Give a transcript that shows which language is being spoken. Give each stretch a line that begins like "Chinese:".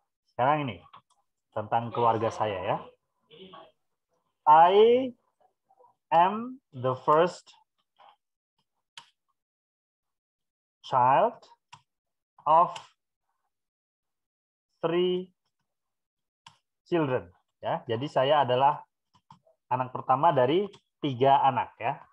Indonesian: Sekarang ini tentang keluarga saya, ya.
English: I am the first child of 3 children, ya.
Indonesian: Jadi saya adalah anak pertama dari 3 anak, ya.